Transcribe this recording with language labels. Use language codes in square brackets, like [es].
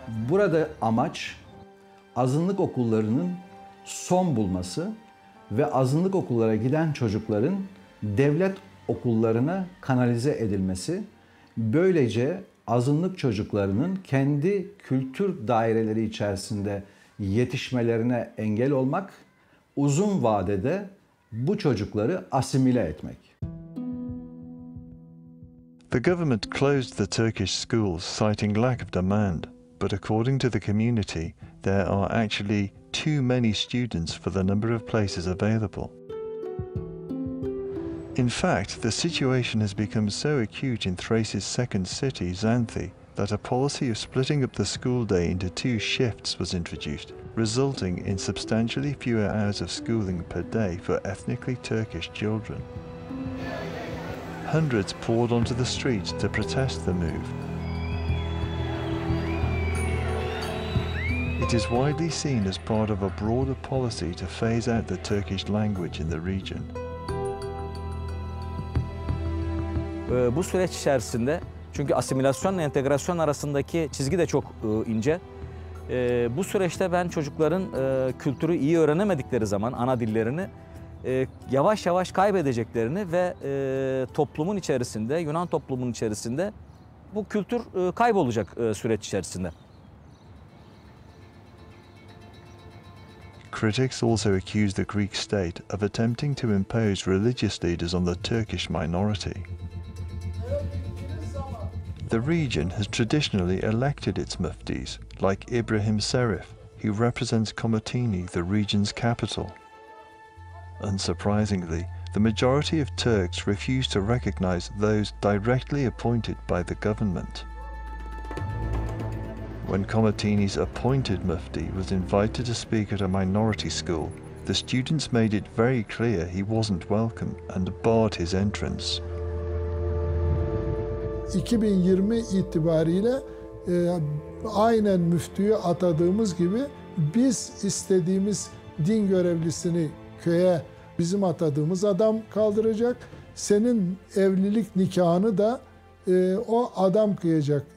[tr] Burada amaç azınlık okullarının son bulması ve azınlık okullara giden çocukların devlet okullarına kanalize edilmesi. Böylece azınlık çocuklarının kendi kültür daireleri içerisinde yetişmelerine engel olmak, uzun vadede bu çocukları asimile etmek. [en] The government closed the Turkish schools citing lack of demand, but according to the community, there are actually too many students for the number of places available. In fact, the situation has become so acute in Thrace's second city, Xanthi, that a policy of splitting up the school day into two shifts was introduced, resulting in substantially fewer hours of schooling per day for ethnically Turkish children. Hundreds poured onto the streets to protest the move. It is widely seen as part of a broader policy to phase out the Turkish language in the region. [tr] Bu süreç içerisinde, çünkü asimilasyonla entegrasyon arasındaki çizgi de çok ince. Bu süreçte ben çocukların kültürü iyi öğrenemedikleri zaman, ana dillerini yavaş yavaş kaybedeceklerini ve toplumun içerisinde, Yunan toplumunun içerisinde bu kültür kaybolacak süreç içerisinde. [en] Critics also accuse the Greek state of attempting to impose religious leaders on the Turkish minority. The region has traditionally elected its muftis, like Ibrahim Serif, who represents Komotini, the region's capital. Unsurprisingly, the majority of Turks refuse to recognize those directly appointed by the government. When Komotini's appointed mufti was invited to speak at a minority school, the students made it very clear he wasn't welcome and barred his entrance. [tr] 2020 itibariyle aynen müftüyü atadığımız gibi biz istediğimiz din görevlisini köye bizim atadığımız adam kaldıracak. Senin evlilik nikahını da o adam kıyacak.